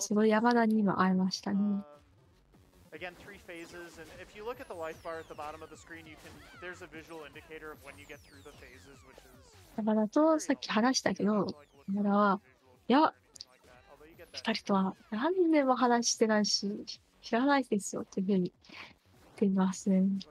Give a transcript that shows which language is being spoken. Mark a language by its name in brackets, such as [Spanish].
[Japanese] その山田にも会いましたね。 [English] Again, three phases, and if you look at the life bar at the bottom of the screen, you can there's a visual indicator of when you get through the phases, which is. [Japanese] 山田とさっき話したけど、山田はいや。二人とは何年も話してないし、知らないですよっていうふうに言っていますね。